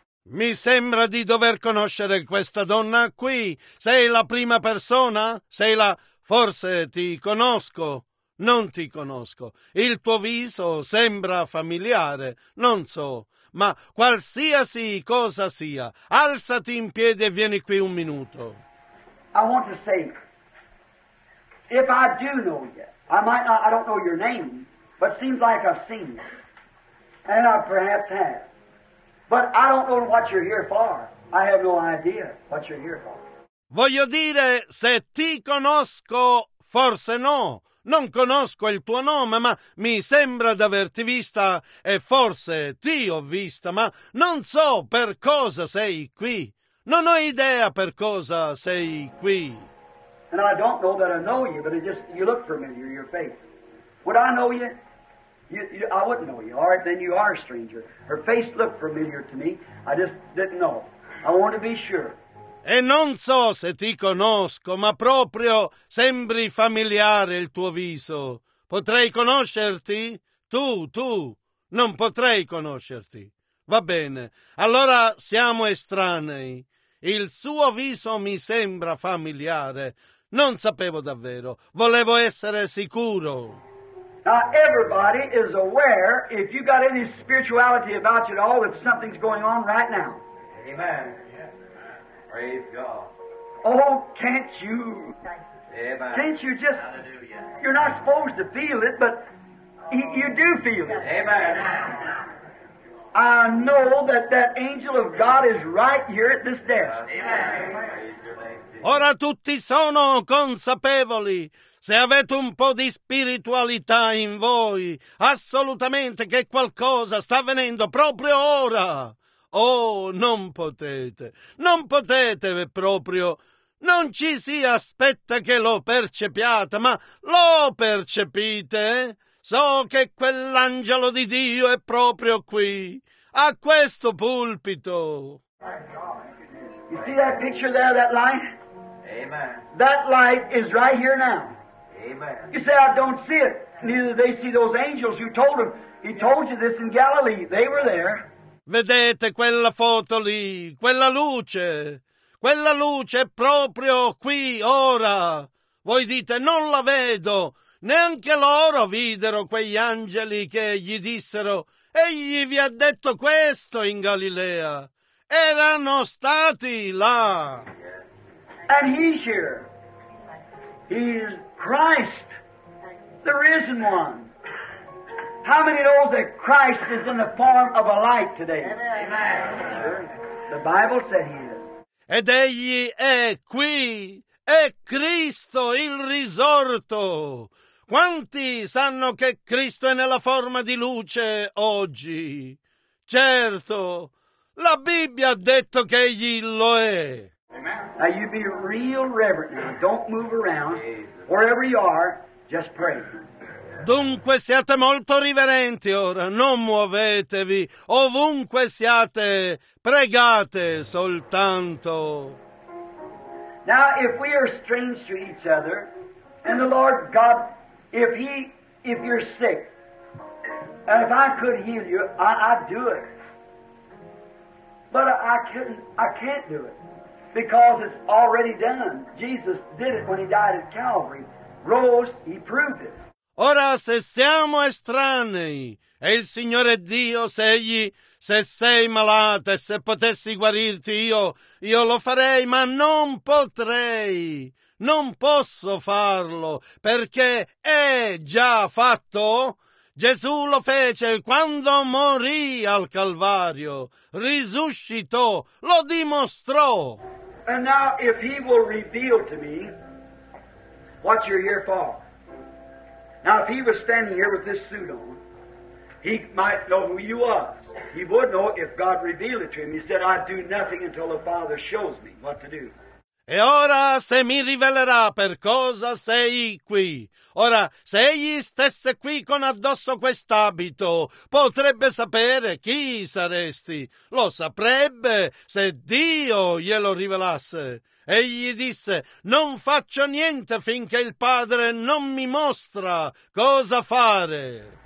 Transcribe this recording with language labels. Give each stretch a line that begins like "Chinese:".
Italian: Mi sembra di dover conoscere questa donna qui. Sei la prima persona? Sei la... Forse ti conosco, non ti conosco. Il tuo viso sembra familiare, non so. Ma qualsiasi cosa sia, alzati in piedi e vieni qui un minuto.
English: I want to say, if I do know you, I don't know your name, but it seems like I've seen you. And I perhaps have. But I don't know what you're here for. I have no idea what you're here for.
Italian: Voglio dire, se ti conosco, forse no. Non conosco il tuo nome, ma mi sembra d'averti vista e forse ti ho vista, ma non so per cosa sei qui. Non ho idea per cosa sei qui.
English: And I don't know that I know you, but it just you look familiar, your face. Would I know you? I wouldn't know you. All right, then you are a stranger. Her face looked familiar to me. I just didn't know. I want to be sure.
Italian: E non so se ti conosco, ma proprio sembri familiare il tuo viso. Potrei conoscerti? Tu, non potrei conoscerti. Va bene, allora siamo estranei. Il suo viso mi sembra familiare. Non sapevo davvero, volevo essere sicuro.
English: Now everybody is aware, if you got any spirituality about you at all, that something's going on right now. Amen. Praise God. Oh, can't you? Amen. Can't you just... Hallelujah. You're not supposed to feel it, but you do feel it. Amen. I know that angel of God is right here at this desk. Amen.
Italian: Ora tutti sono consapevoli. Se avete un po' di spiritualità in voi, assolutamente che qualcosa sta avvenendo proprio ora. Oh, non potete proprio, non ci si aspetta che lo percepiate, ma lo percepite? So che quell'angelo di Dio è proprio qui, a questo pulpito.
English: You see that picture there, that light? Amen. That light is right here now. Amen. You say, I don't see it. Neither they see those angels. You told them, he told you this in Galilee, they were there.
Italian: Vedete quella foto lì, quella luce? Quella luce è proprio qui, ora. Voi dite, non la vedo. Neanche loro videro quegli angeli che gli dissero, egli vi ha detto questo in Galilea. Erano stati là.
English: And he's here. He is Christ, the risen one. How many knows that Christ is in the form of a light today? Amen. The Bible said he is.
Italian: Ed egli è qui, è Cristo il risorto. Quanti sanno che Cristo è nella forma di luce oggi? Certo, la Bibbia ha detto che egli lo è.
English: Now you be real reverent now. Don't move around. Wherever you are, just pray.
Italian: Dunque siate molto riverenti ora, non muovetevi. Ovunque siate, pregate soltanto.
English: Now if we are strange to each other, and the Lord God, if you're sick, and if I could heal you, I'd do it. But I can't do it. Because it's already done. Jesus did it when he died at Calvary. Rose, he proved it.
Italian: Ora, se siamo estranei, e il Signore Dio, se sei malata, se potessi guarirti io lo farei, ma non potrei, non posso farlo, perché è già fatto. Gesù lo fece quando morì al Calvario, risuscitò, lo dimostrò.
English: And now if he will reveal to me what you're here for. Now, if he was standing here with this suit on, he might know who you are. He would know if God revealed it to him. He said, I do nothing until the Father shows me what to do.
Italian: E ora, se mi rivelerà per cosa sei qui. Ora, se egli stesse qui con addosso quest'abito, potrebbe sapere chi saresti. Lo saprebbe se Dio glielo rivelasse. Egli disse, non faccio niente finché il Padre non mi mostra cosa fare.